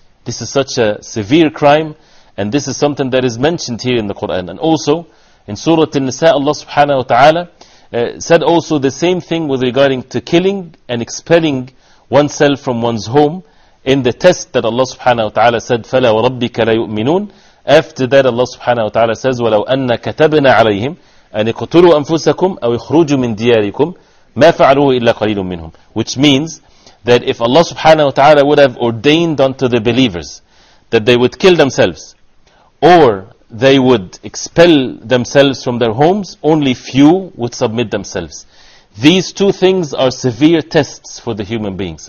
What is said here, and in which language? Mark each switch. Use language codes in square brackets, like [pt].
[en] This is such a severe crime, and this is something that is mentioned here in the Quran. And also in Surah An-Nisa, Allah subhanahu wa ta'ala said also the same thing with regarding to killing and expelling oneself from one's home in the test that Allah subhanahu wa ta'ala said, [ar] فَلَا وَرَبِّكَ لَيُؤْمِنُونَ. After that Allah subhanahu wa ta'ala says, وَلَوْ أَنَّ كَتَبْنَا عَلَيْهِمْ أَنْ اِقْتُلُوا أَنفُسَكُمْ أَوْ اِخْرُوجُوا مِنْ دِيَارِكُمْ مَا فَعَلُوهُ إِلَّا قَلِيلٌ مِّنْهُمْ. [en] Which means that if Allah subhanahu wa ta'ala would have ordained unto the believers that they would kill themselves or they would expel themselves from their homes, only few would submit themselves. These two things are severe tests for the human beings.